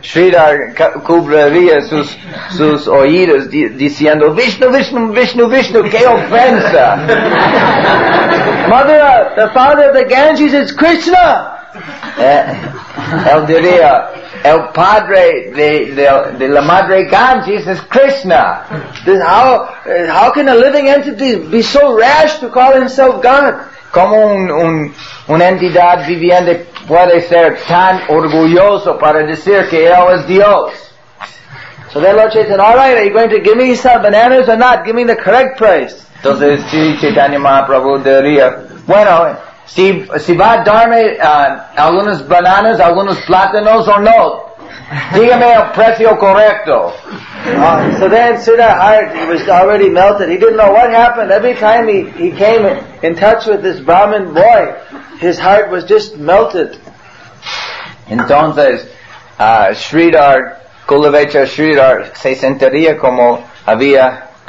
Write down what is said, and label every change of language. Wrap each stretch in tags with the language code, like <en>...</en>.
<es>Sridhar cubriría sus oídos diciendo, Vishnu, qué ofensa.</es> <en>Mother, the father of the Ganges is Krishna.</en> <es>Él diría, el padre de la Madre Ganges</es> <en>is Krishna. This how can a living entity be so rash to call himself God?</en> <es>¿Cómo una entidad viviente puede ser tan orgulloso para decir que él es Dios?</es> <en>So then Lord Chaitanya, all right, are you going to give me some bananas or not? Give me the correct price.</en> <es>Entonces Sri Chaitanya Mahaprabhu diría, bueno, Si va a darme algunas bananas, algunos plátanos o no, dígame el precio correcto.</es> <en>So then Siddhar's heart was already melted. He didn't know what happened. Every time he came in touch with this Brahmin boy, his heart was just melted.</en> <es>Entonces, Sridhar, Kulavecha Sridhar, se sentiría como había...</es>